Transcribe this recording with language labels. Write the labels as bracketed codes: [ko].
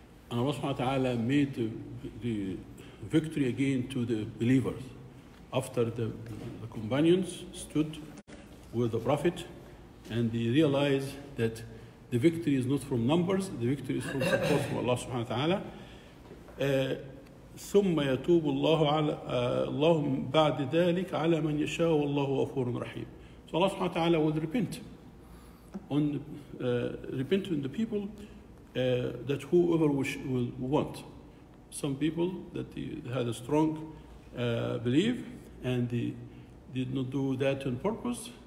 [en] And Allah subhanahu wa ta'ala made the victory again to the believers after the companions stood with the Prophet and they realized that the victory is not from numbers, the victory is from support from Allah subhanahu wa ta'ala. [ar] ثم يتوب الله على اللهم بعد ذلك على من يشاء والله غفور رحيم. [en] So Allah subhanahu wa ta'ala would repent on the people that whoever wish will want. Some people that had a strong belief and they did not do that on purpose.